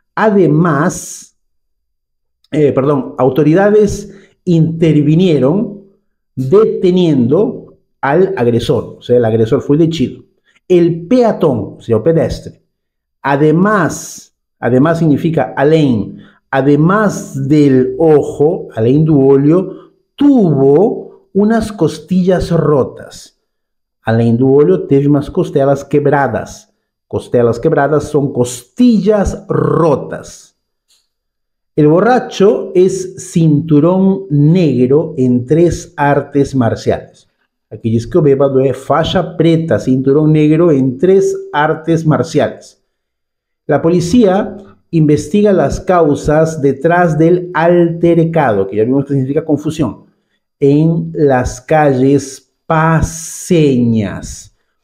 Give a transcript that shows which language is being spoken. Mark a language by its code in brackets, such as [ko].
[es] Además, autoridades intervinieron deteniendo al agresor, o sea, el agresor fue detenido. El peatón, o sea, el pedestre, además significa além, además del ojo, [pt] além do olho, [es] tuvo unas costillas rotas. [pt] Além do olho, teve unas costelas quebradas. Costelas quebradas [es] son costillas rotas. El borracho es cinturón negro en tres artes marciales. Aquí dice que [pt] o bêbado [es] es [pt] faixa preta, [es] cinturón negro en tres artes marciales. La policía investiga las causas detrás del altercado, que ya vimos que significa confusión, en las calles paseñas.